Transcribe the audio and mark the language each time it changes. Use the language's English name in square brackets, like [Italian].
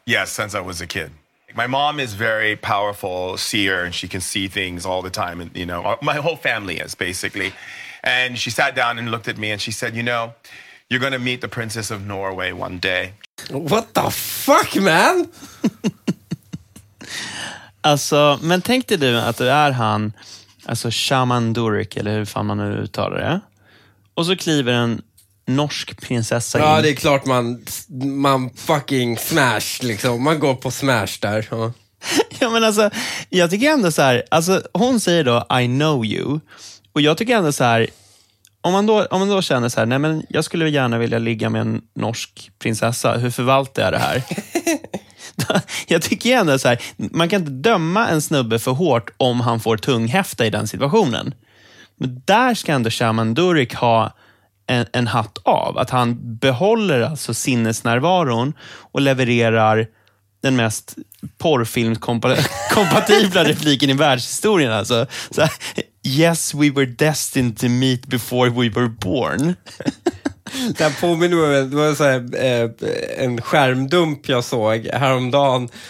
[English] Yes, since I was a kid. My mom is very powerful seer, and she can see things all the time. And, you know, my whole family is, basically. And she sat down and looked at me, and she said, you know, you're going to meet the Princess of Norway one day. What the fuck, man? [Swedish] Alltså, men tänkte du att det är han, alltså Shaman Durek, eller hur fan man nu uttalar det. Och så kliver en norsk prinsessa in. Ja, det är klart man fucking smash liksom. Man går på smash där. Ja, men alltså, jag tycker ändå så här, alltså hon säger då, [English] I know you. [Swedish] Och jag tycker ändå så här, Om man då känner så här, nej men jag skulle gärna vilja ligga med en norsk prinsessa. Hur förvaltar jag det här? Jag tycker ändå så här, man kan inte döma en snubbe för hårt om han får tunghäfta i den situationen. Men där ska ändå Shaman Durek ha en hatt av. Att han behåller alltså sinnesnärvaron och levererar den mest porrfilmskompatibla repliken i världshistorien. Alltså. Så här, [English] yes, we were destined to meet before we were born. [Swedish] Det här påminner mig, det var så här, en skärmdump jag såg häromdagen.